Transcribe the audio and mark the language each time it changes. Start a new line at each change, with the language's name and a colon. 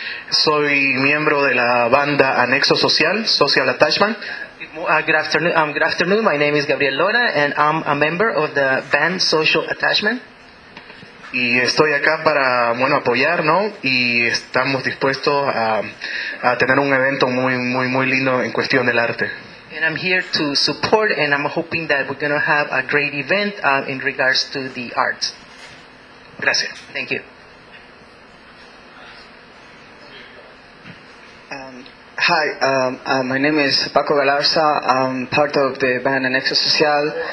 Spanish: Soy miembro de la banda Anexo Social, Social Attachment.
English: Good afternoon. My name is Gabriel Lora, and I'm a member of the band Social Attachment.
Spanish: Y estoy acá para, bueno, apoyar, ¿no? Y estamos dispuestos a tener un evento muy, muy, muy lindo en cuestión del arte.
English: And I'm here to support, and I'm hoping that we're going to have a great event in regards to the arts.
Spanish: Gracias.
English: Thank you. Hi, my name is Paco Galarza. I'm part of the band Anexo Social.